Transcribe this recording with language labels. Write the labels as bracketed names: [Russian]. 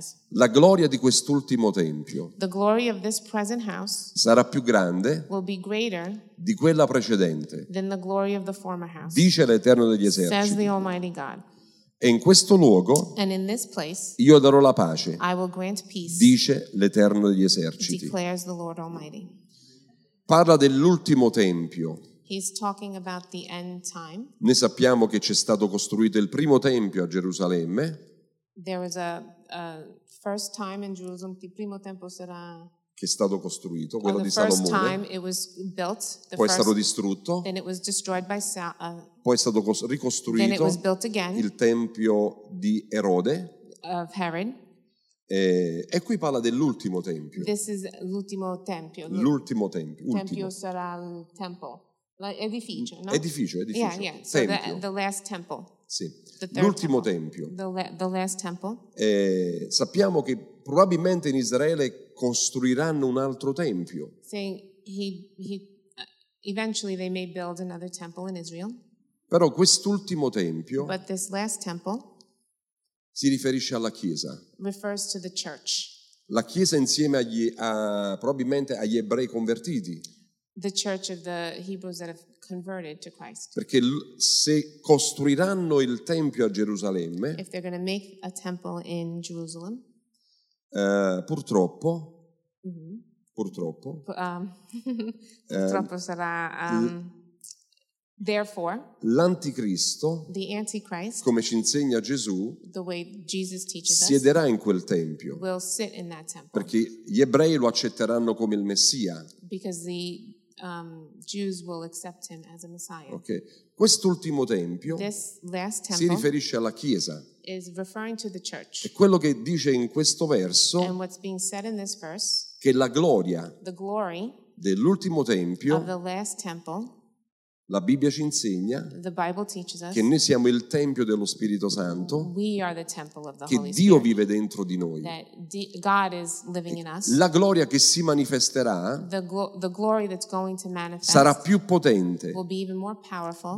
[Italian] La gloria di quest'ultimo tempio, [English] the glory of this present house, [Italian] sarà più grande, [English] will be greater, [Italian] di quella precedente, [English] than the glory of the former house, [Italian] dice l'Eterno degli eserciti, [English] says the Almighty God. [Italian] E in questo luogo, [English] and in this place, [Italian] io darò la pace, [English] I will grant peace, [Italian] dice l'Eterno degli eserciti, [English] declares the Lord Almighty. [Italian] Parla dell'ultimo tempio. [English] He's talking about the end time. [Italian] Ne sappiamo che c'è stato costruito il primo tempio a Gerusalemme. [English] There was a first time in Jerusalem, [Italian] il primo tempio sarà, che è stato costruito, quello [English] the [Italian] di Salomone. [English] First time it was built, the [Italian] poi [English] first, [Italian] è stato distrutto. [English] Then it was destroyed by [Italian] poi è stato ricostruito. [English] Then it was built again, [Italian] il tempio di Erode. [English] Of Herod. [Italian] E qui parla dell'ultimo tempio. [English] This is [Italian] l'ultimo tempio. L'ultimo tempio. Tempio ultimo. Sarà il tempio. L'edificio, no? Edificio, edificio. [English] Yeah, yeah. So tempio. The last temple. [Italian] Sì. L'ultimo tempio. [English] The last temple. [Italian] Sappiamo che probabilmente in Israele costruiranno un altro tempio. [English] Saying he eventually they may build another temple in Israel. [Italian] Però quest'ultimo tempio. [English] But this last temple. [Italian] Si riferisce alla chiesa. [English] Refers to the church. [Italian] La chiesa insieme probabilmente agli ebrei convertiti. [English] The church of the Hebrews that have converted to Christ. [Italian] Perché se costruiranno il tempio a Gerusalemme, [English] if they're going to make a temple in Jerusalem, [Italian] purtroppo, mm-hmm. purtroppo, purtroppo sarà, [English] therefore, [Italian] l'anticristo, [English] the Antichrist, [Italian] come ci insegna Gesù, [English] the way Jesus teaches us, [Italian] siederà in quel tempio, [English] will sit in that temple. [Italian] Perché gli ebrei lo accetteranno come il Messia. [English] Because the Jews will accept him as a Messiah. [Italian] Okay. Quest'ultimo tempio, [English] this last temple, [Italian] si riferisce alla chiesa. [English] Is referring to the church. [Italian] E quello che dice in questo verso, [English] and what's being said in this verse, [Italian] che la gloria, [English] the glory, [Italian] dell'ultimo tempio, [English] of the last temple, [Italian] la Bibbia ci insegna, [English] the Bible teaches us, [Italian] che noi siamo il tempio dello Spirito Santo, [English] we are the temple of the [Italian] che [English] Holy [Italian] Dio [English] Spirit, [Italian] vive dentro di noi, [English] that God is living in us, [Italian] la gloria che si manifesterà, [English] the glory that's going to manifest, [Italian] sarà più potente, [English] will be even more powerful,